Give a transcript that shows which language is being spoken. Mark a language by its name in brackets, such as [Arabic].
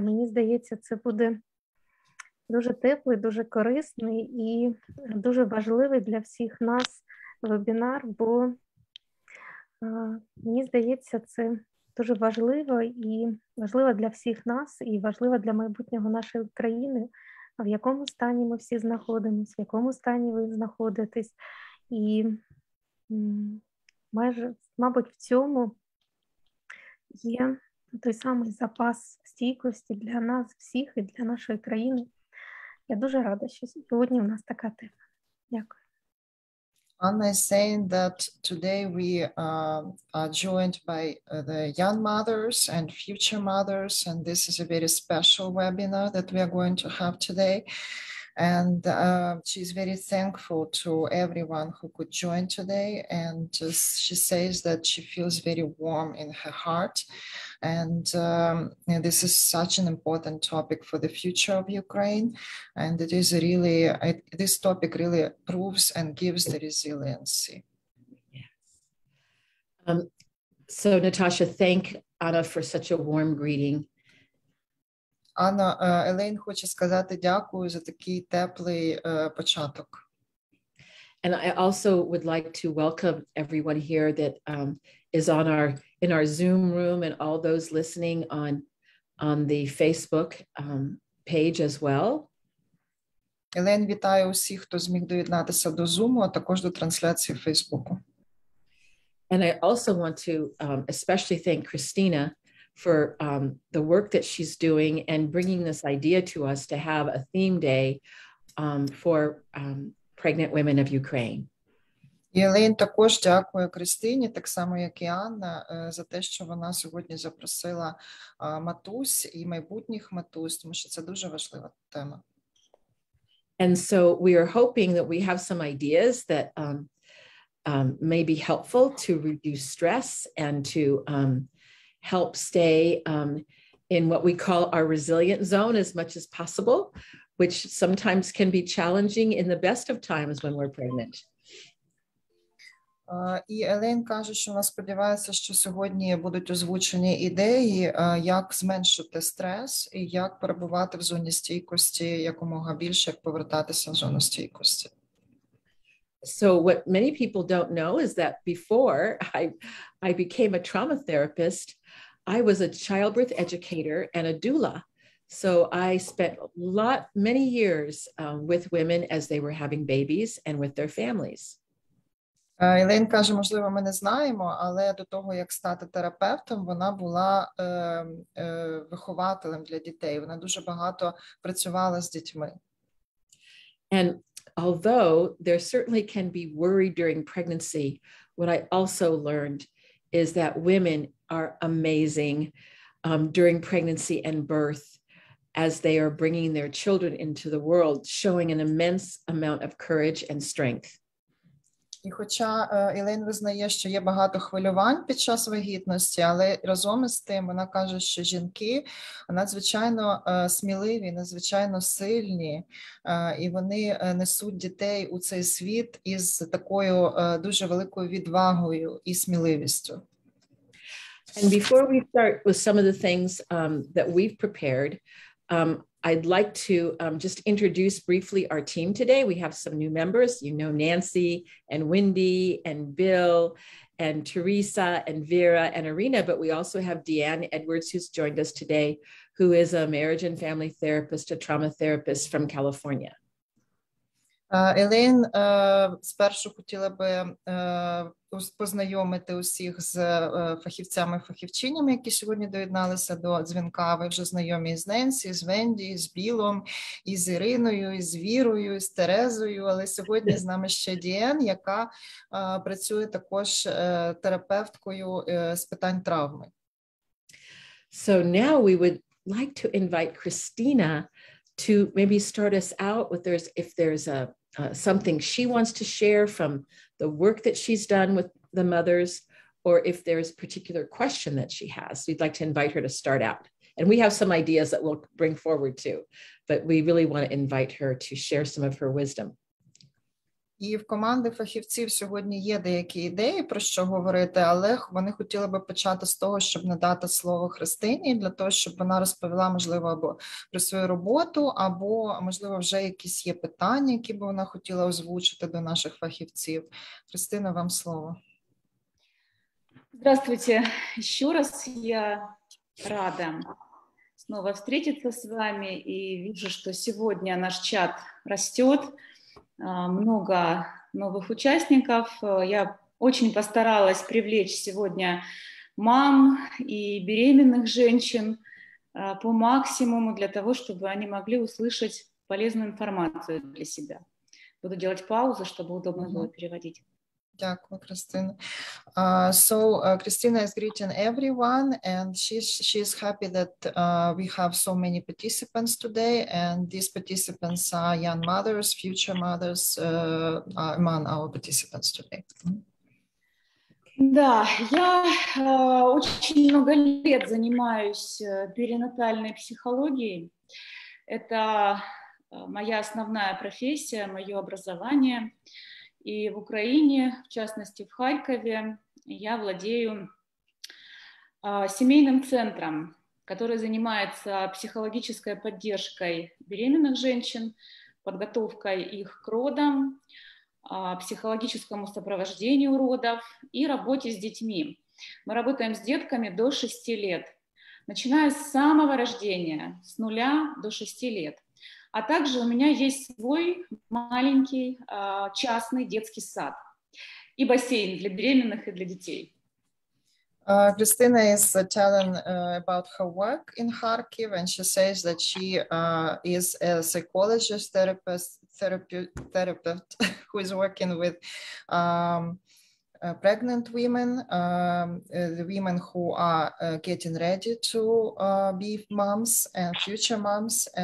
[Ukrainian] Мені здається, це буде дуже теплий, дуже корисний і дуже важливий для всіх нас вебінар, бо мені здається, це дуже важливо і важливо для всіх нас, і важливо для майбутнього нашої країни, в якому стані ми всі знаходимося, в якому стані ви знаходитесь. І майже, мабуть, в цьому є той самий запас стійкості для нас всіх і для нашої країни. Я дуже рада, що сьогодні у нас така тема. Дякую. [English] And I say that today we are joined by the young mothers and future mothers, and this is a very special webinar that we are going to have today. And she's very thankful to everyone who could join today, and she says that she feels very warm in her heart, and this is such an important topic for the future of Ukraine, and it is really this topic really proves and gives the resiliency. So Natasha, thank Anna for such a warm greeting. [Ukrainian] Анна, Елейн хоче сказати дякую за такий теплий початок. [English] And I also would like to welcome everyone here that is on our in our Zoom room and all those listening on the Facebook page as well. [Ukrainian] Елейн, вітаю усіх, хто зміг доєднатися до Zoom, а також до трансляції Facebook. [English] And I also want to especially thank Christina for the work that she's doing and bringing this idea to us to have a theme day for pregnant women of Ukraine. [Ukrainian] Єлен, також дякую Кристині, так само як і Анна, за те, що вона сьогодні запросила матусь і майбутніх матусь, тому що це дуже важлива тема. [English] And so we are hoping that we have some ideas that may be helpful to reduce stress and to help stay in what we call our resilient zone as much as possible, which sometimes can be challenging in the best of times when we're pregnant. [Ukrainian] І Елен каже, що вона сподівається, що сьогодні будуть озвучені ідеї, як зменшити стрес і як перебувати в зоні стійкості якомога більше, як повертатися в зону стійкості. [English] So what many people don't know is that before I became a trauma therapist, I was a childbirth educator and a doula. So I spent many years with women as they were having babies and with their families. [Ukrainian] Елен каже, можливо, ми не знаємо, але до того, як стати терапевтом, вона була вихователем для дітей. Вона дуже багато працювала з дітьми. [English] And although there certainly can be worry during pregnancy, what I also learned is that women are amazing during pregnancy and birth as they are bringing their children into the world, showing an immense amount of courage and strength. [Ukrainian] І хоча Елен визнає, що є багато хвилювань під час вагітності, але разом із тим вона каже, що жінки надзвичайно сміливі, надзвичайно сильні, і вони несуть дітей у цей світ із такою дуже великою відвагою і сміливістю. [English] And before we start with some of the things that we've prepared, I'd like to just introduce briefly our team today. We have some new members. You know Nancy and Wendy and Bill and Teresa and Vera and Arena, but we also have Deanne Edwards, who's joined us today, who is a marriage and family therapist, a trauma therapist from California. [Ukrainian] Елен, спершу хотіла би познайомити усіх з фахівцями-фахівчинями, які сьогодні доєдналися до дзвінка. Ви вже знайомі з Ненсі, з Венді, з Білом, із Іриною, із Вірою, з Терезою. Але сьогодні з нами ще Діен, яка працює також терапевткою з питань травми. [English] So now we would like to invite Christina to maybe start us out with something she wants to share from the work that she's done with the mothers, or if there's a particular question that she has. We'd like to invite her to start out. And we have some ideas that we'll bring forward too, but we really want to invite her to share some of her wisdom. [Ukrainian] І в команди фахівців сьогодні є деякі ідеї, про що говорити, але вони хотіли би почати з того, щоб надати слово Христині, для того, щоб вона розповіла, можливо, або про свою роботу, або, можливо, вже якісь є питання, які б вона хотіла озвучити до наших фахівців. Христина, вам слово. [Russian] Здравствуйте. [Ukrainian] Ще раз я рада знову зустрітися з вами і бачу, що сьогодні наш чат росте. [Russian] Много новых участников. Я очень постаралась привлечь сегодня мам и беременных женщин по максимуму для того, чтобы они могли услышать полезную информацию для себя. Буду делать паузу, чтобы удобно было переводить. [English] Thank you, Christina. Christina is greeting everyone, and she's happy that we have so many participants today, and these participants are young mothers, future mothers among our participants today. [Russian] Да, я очень много лет занимаюсь перинатальной психологией. Это моя основная профессия, мое образование. И в Украине, в частности, в Харькове, я владею семейным центром, который занимается психологической поддержкой беременных женщин, подготовкой их к родам, психологическому сопровождению родов и работе с детьми. Мы работаем с детками до 6 лет, начиная с самого рождения, с нуля до 6 лет. А также у меня есть свой маленький частный детский сад и бассейн для беременных и для детей. [English] Christina is telling about her work in Kharkiv, and she says that she is a psychologist, therapist, who is working with pregnant women, the women who are getting ready to be moms and future moms.